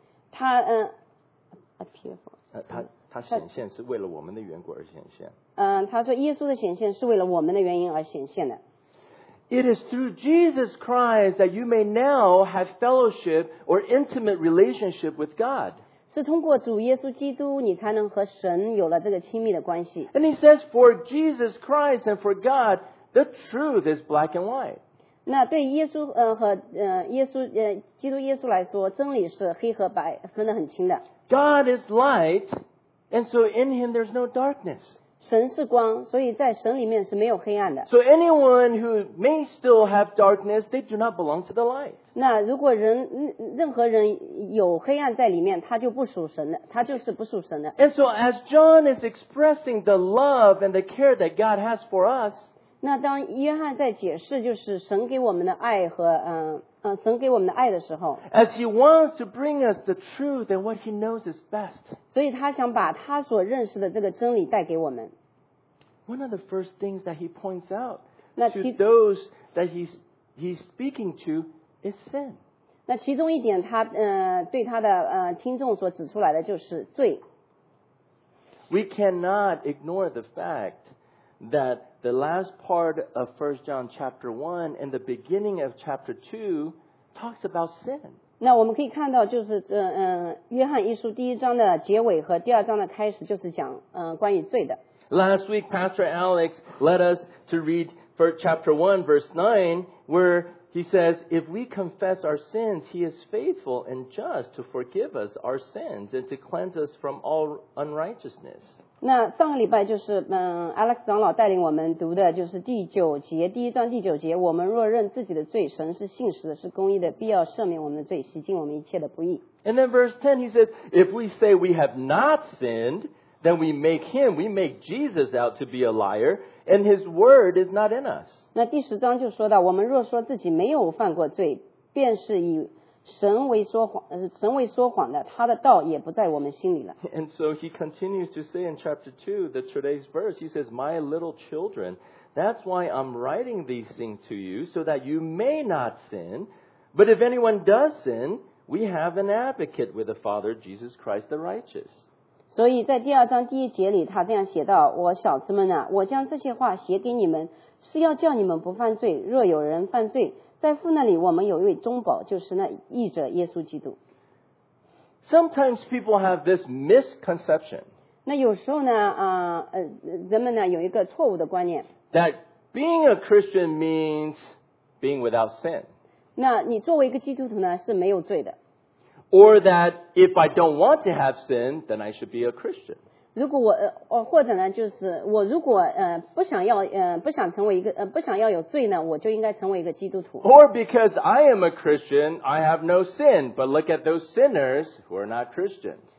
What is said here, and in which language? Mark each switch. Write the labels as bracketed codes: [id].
[zh] 他 [en] appear for. [zh] 他显现是为了我们的缘故而显现。他说耶稣的显现是为了我们的原因而显现的。 [en] It is through Jesus Christ that you may now have fellowship or intimate relationship with God. [zh] 是通过主耶稣基督你才能和神有了这个亲密的关系。 [en] And he says, for Jesus Christ and for God, the truth is black and white. [zh] 那对耶稣和耶稣基督耶稣来说真理是黑和白分得很清的。 [en] God is light, and so in him there's no darkness. [zh] 神是光所以在神里面是没有黑暗的。 [en] So anyone who may still have darkness, they do not belong to the light. [zh] 那如果任何人有黑暗在里面，他就不属神的，他就是不属神的。 [en] And so as John is expressing the love and the care that God has for us, [zh] 那当约翰在解释就是神给我们的爱和神给我们的爱的时候 [en] ，as he wants to bring us the truth and what he knows is best, [zh] 所以他想把他所认识的这个真理带给我们。 [en] One of the first things that he points out to those that he's speaking to. It's sin. [zh] 那其中一点他对他的听众所指出来的就是罪。 [en] We cannot ignore the fact that the last part of 1 John chapter 1 and the beginning of chapter 2 talks about sin. [zh] 那我们可以看到就是约翰一书第一章的结尾和第二章的开始就是讲关于罪的。 [en] Last week Pastor Alex led us to read for chapter 1 verse 9 where He says, if we confess our sins, he is faithful and just to forgive us our sins and to cleanse us from all unrighteousness. [zh] 那上个礼拜就是Alex 长老带领我们读的就是第九节，第一章第九节，我们若认自己的罪，神是信实的，是公义的，必要赦免我们的罪，洗净我们一切的不义。 [en] And then verse 10, he says, if we say we have not sinned, then we make him, we make Jesus out to be a liar, and his word is not in us. [zh] 那第十章就说到，我们若说自己没有犯过罪，便是以神为说谎，神为说谎的，他的道也不在我们心里了。 [en] And so he continues to say in chapter 2, the today's verse, he says, My little children, that's why I'm writing these things to you, so that you may not sin. But if anyone does sin, we have an advocate with the Father, Jesus Christ the righteous. [zh] 所以在第二章第一节里他这样写道我小子们啊我将这些话写给你们是要叫你们不犯罪若有人犯罪在父那里我们有一位中保就是那义者耶稣基督。 [en] Sometimes people have this misconception. [zh] 那有时候呢人们呢有一个错误的观念。 [en] That being a Christian means being without sin. [zh] 那你作为一个基督徒呢是没有罪的。 [en] Or that if I don't want to have sin, then I should be a Christian. [zh] 如果我或者呢，就是我如果不想要不想成为一个不想要有罪呢，我就应该成为一个基督徒。 [en] Or because I am a Christian, I have no sin. But look at those sinners who are not Christians.